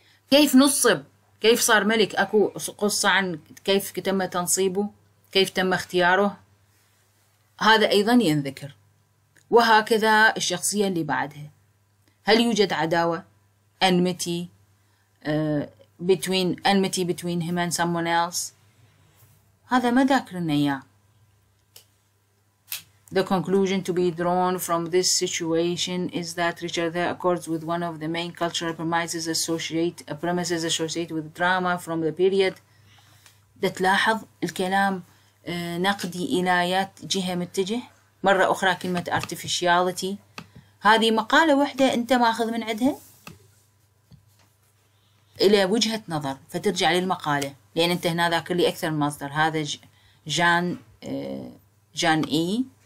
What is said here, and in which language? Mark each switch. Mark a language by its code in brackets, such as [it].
[ar] كيف نصب، كيف صار ملك، اكو قصة عن كيف تم تنصيبه، كيف تم اختياره، هذا ايضا ينذكر. وهكذا الشخصية اللي بعدها، هل يوجد عداوة، [en] enmity between enmity between him and someone else، [ar] هذا ما ذاكرنا إياه. [en] The conclusion to be drawn from this situation is that Richard the accords with one of the main cultural premises associated with drama from the period. [ar] تلاحظ الكلام نقدي إلى جهة متجه مرة أخرى، كلمة artificiality هذه مقالة واحدة أنت ماخذ من عندها إلى وجهة نظر، فترجع للمقالة، لأن أنت هنا ذاكر لي أكثر من مصدر. هذا جان إي